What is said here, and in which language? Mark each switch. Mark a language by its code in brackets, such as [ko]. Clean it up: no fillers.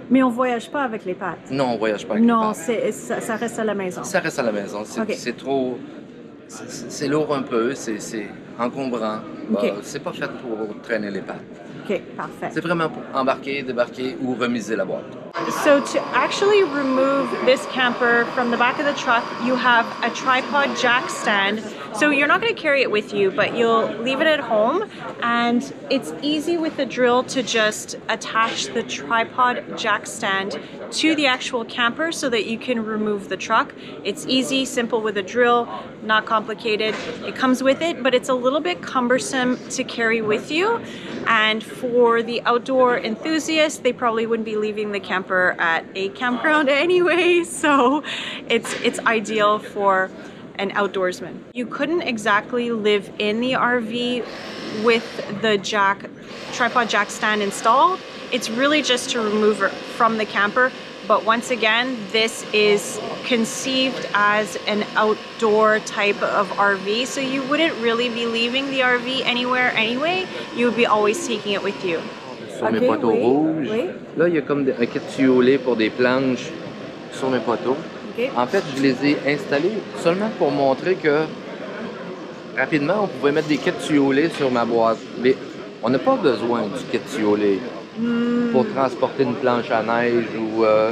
[fr] Mais on voyage pas avec les pattes? Non, on voyage pas avec non, les pattes. Non, ça reste à la maison? Ça reste à la maison. C'est, okay. C'est trop... C'est lourd un peu, c'est encombrant. Okay. Bah, c'est pas fait pour traîner les pattes. OK, parfait. C'est vraiment pour embarquer, débarquer ou remiser la boîte. [en] So to actually remove this camper from the back of the truck, you have a tripod jack stand. So you're not going to carry it with you, but you'll leave it at home. And it's easy with the drill to just attach the tripod jack stand to the actual camper so that you can remove the truck. It's easy, simple with a drill, not complicated. It comes with it, but it's a little bit cumbersome to carry with you. And for the outdoor enthusiast, they probably wouldn't be leaving the camper at a campground anyway. So it's ideal for an outdoorsman. You couldn't exactly live in the RV with the tripod jack stand installed. It's really just to remove it from the camper. But once again, this is conceived as an outdoor type of RV. So you wouldn't really be leaving the RV anywhere anyway. You would be always taking it with you. [fr] Sur mes poteaux rouges, là, il y a comme un kit tuyaulé pour des planches sur mes poteaux. Okay. En fait, je les ai installés seulement pour montrer que rapidement, on pouvait mettre des kits tuyaulés sur ma boîte. Mais on n'a pas besoin du kit tuyaulé pour transporter une planche à neige ou...